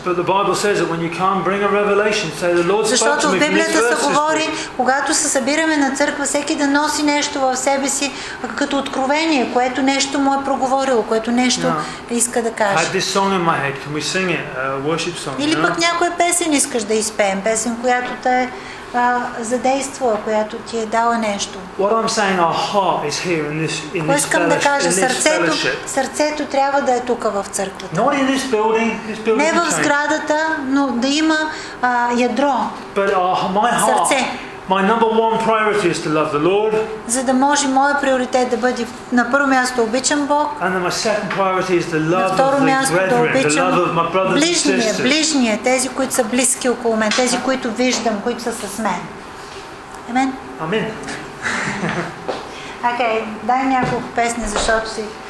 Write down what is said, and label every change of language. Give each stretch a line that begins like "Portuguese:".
English: But the Bible says that when you come, bring a revelation. Say the Lord spoke to me.
Bulgarian: Защото Библията се говори, когато се събираме на църква, всеки да носи нещо в себе си като откровение, което нещо му е проговорило, което нещо иска да каже.
English: I have this song in my head. Can we sing it? A worship song.
Bulgarian: Или пък някоя песен искаш да изпеем, песен, която те е задействала, която ти е дала нещо.
English: What I'm saying, our heart is here in this fellowship.
Bulgarian: Кое искам да кажа, сърцето трябва да е тук в църквата.
English: Not in this building, this building.
Bulgarian: Не в сградата, но да има ядро.
English: But my heart.
Bulgarian: Сърце.
English: My number one priority is to love the Lord.
Bulgarian: За да може моя приоритет да бъде на първо място обичам Бог.
English: And then my second priority is the love of the brethren, the love of my brothers and sisters.
Bulgarian: Ближния, тези, които са близки около мен, тези, които виждам, които са с мен. Амен. Амен. Окей, дай няколко песни, защото си.